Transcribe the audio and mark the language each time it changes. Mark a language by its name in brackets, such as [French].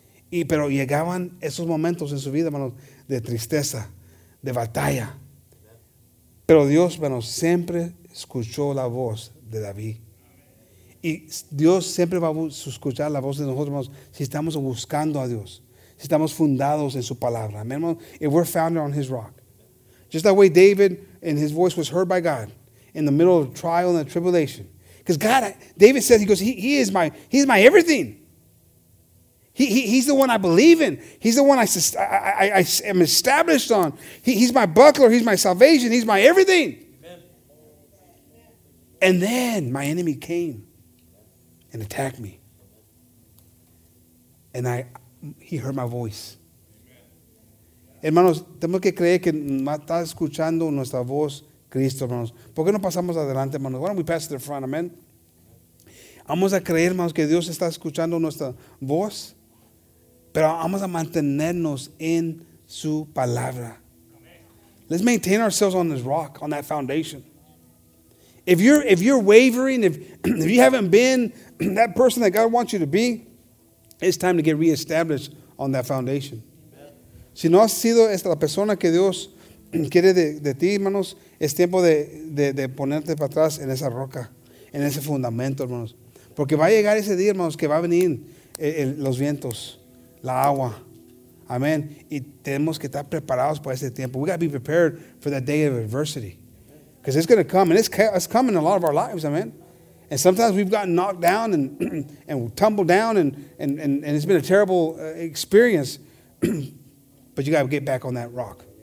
[Spanish] Y pero llegaban esos momentos en su vida, hermanos, de tristeza, de batalla. Pero Dios, hermanos, siempre escuchó la voz de David. Y Dios siempre va a escuchar la voz de nosotros, hermanos, si estamos buscando a Dios. Si estamos fundados en su palabra. Amen, hermanos. [English] If we're founded on his rock. Just that way David and his voice was heard by God in the middle of trial and tribulation. Because God, David says, he goes, he is my everything. He's the one I believe in. He's the one I am established on. He's my buckler. He's my salvation. He's my everything. Amen. And then my enemy came and attacked me. And he heard my voice. [Spanish] Hermanos, tenemos que creer que está escuchando nuestra voz Cristo, hermanos. ¿Por qué no pasamos adelante, hermanos? [English] Why don't we pass to the front, amen? [Spanish] Vamos a creer, hermanos, que Dios está escuchando nuestra voz. Pero vamos a mantenernos en su palabra. [English] Let's maintain ourselves on this rock, on that foundation. If you're wavering, if you haven't been that person that God wants you to be, it's time to get reestablished on that foundation. [Spanish] Si no has sido esta la persona que Dios quiere de ti, hermanos, es tiempo de ponerte para atrás en esa roca, en ese fundamento, hermanos. Porque va a llegar ese día, hermanos, que va a venir los vientos, la agua. Amén. Y tenemos que estar preparados para ese tiempo. [English] We got to be prepared for that day of adversity. Because it's going to come. And it's coming in a lot of our lives, amen. And sometimes we've gotten knocked down and tumbled down and it's been a terrible experience. But you got to get back on that rock.